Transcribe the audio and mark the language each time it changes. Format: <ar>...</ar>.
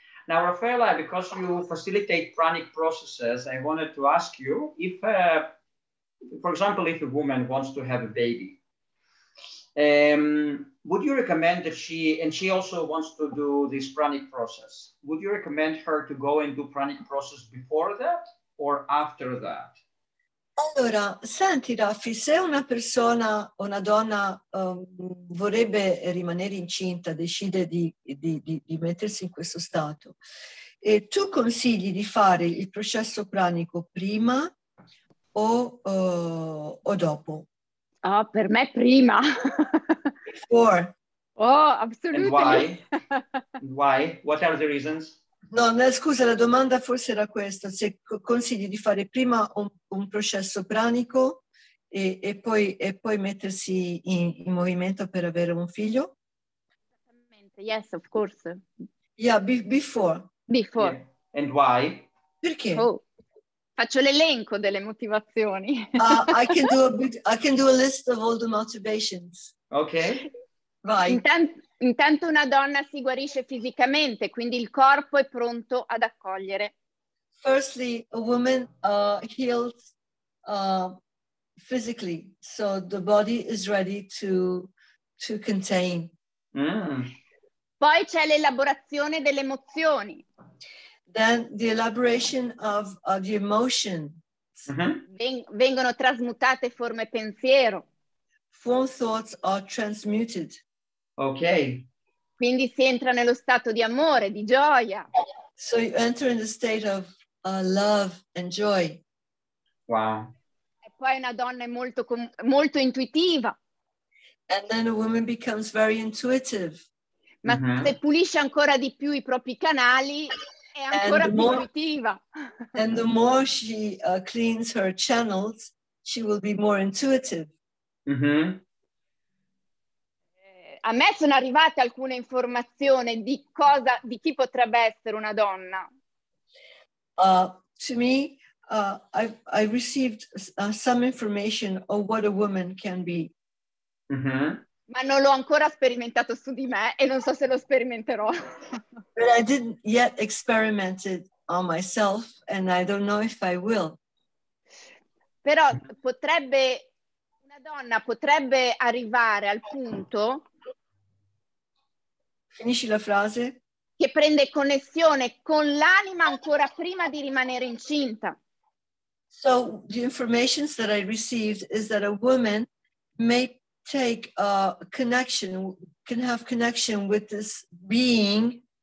<en>Now, Raffaella, because you facilitate pranic processes, I wanted to ask you if, for example, if a woman wants to have a baby, would you recommend that she also wants to do this pranic process, would you recommend her to go and do pranic process before that or after that?</en> <it>Allora, senti Raffi, se una persona, una donna vorrebbe rimanere incinta, decide di mettersi in questo stato, e tu consigli di fare il processo pranico prima o dopo? Oh, per me prima.</it> <en>Before. Oh, absolutely. And why? What are the reasons?</en> <it>No, no, scusa, la domanda forse era questa, se consigli di fare prima un processo pranico e poi mettersi in movimento per avere un figlio?</it> <en>Yes, of course. Yeah, before. Before. Yeah. And why?</en> <it>Perché? Oh. Faccio l'elenco delle motivazioni.</it> <en>I can do a list of all the motivations. Okay.</en> <it>Vai. Intanto una donna si guarisce fisicamente, quindi il corpo è pronto ad accogliere.</it> <en>Firstly, a woman heals physically, so the body is ready to contain. Mm.</en> <it>Poi c'è l'elaborazione delle emozioni.</it> <en>Then the elaboration of the emotions.</en> <it>Mm-hmm. Vengono trasmutate forme pensiero.</it> <en>Form thoughts are transmuted. Okay.</en> <it>Quindi si entra nello stato di amore, di gioia.</it> <en>So you enter in the state of love and joy. Wow.</en> <it>E poi una donna è molto intuitiva.</it> <en>And then a woman becomes very intuitive. Ma mm-hmm.</en> <it>se pulisce ancora di più i propri canali, è ancora più intuitiva.</it> <en>And the more she cleans her channels, she will be more intuitive. Mm-hmm.</en> <it>A me sono arrivate alcune informazioni di chi potrebbe essere una donna.</it> <en>To me, I received some information of what a woman can be. Mm-hmm.</en> <it>Ma non l'ho ancora sperimentato su di me e non so se lo sperimenterò.</it> <en>But I didn't yet experiment it on myself and I don't know if I will.</en> <it>Però potrebbe, una donna potrebbe arrivare al punto. Finisci la frase? Che prende connessione con l'anima ancora prima di rimanere incinta.</it> <en>So the information that I received is that a woman may take a connection, can have connection with this being.</en>